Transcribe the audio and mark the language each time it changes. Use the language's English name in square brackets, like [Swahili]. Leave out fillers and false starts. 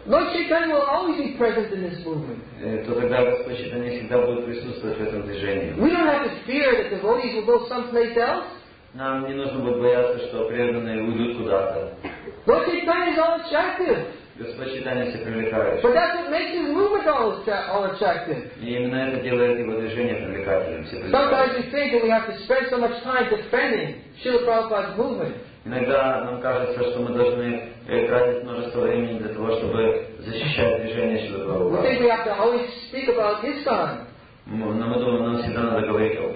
[English] Lord Chaitanya will always be present in this movement. [Russian] То тогда Господь Чайтанья всегда будет присутствовать в этом движении. [English] We don't have to fear that devotees will go someplace else. [Russian] Нам не нужно будет бояться, что преданные уйдут куда-то. [English] Lord Chaitanya is all attractive. [Russian] Господь Чайтанья все привлекает. [English] But that's what makes his movement all attractive. [Russian] И именно это делает его движение привлекательным. [English] Sometimes we think that we have to spend so much time defending Srila Prabhupada's movement. [Russian] Иногда нам кажется, что мы должны тратить множество времени для того, чтобы защищать движение Шрилы Прабхупады. Но мы думаем, нам всегда надо говорить об